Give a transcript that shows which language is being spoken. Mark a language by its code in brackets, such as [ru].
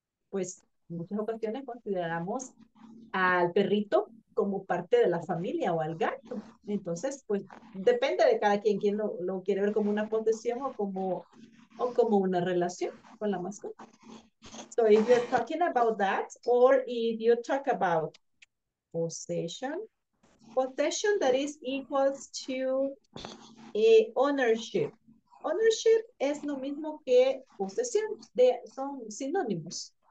[es] Pues en muchas ocasiones consideramos al perrito como parte de la familia o al gato. Entonces, pues depende de cada quien lo quiere ver como una posesión o como una relación con la mascota. [en] So if you're talking about that, or if you talk about possession that is equals to a ownership. [es] Ownership es lo mismo que posesión, son sinónimos.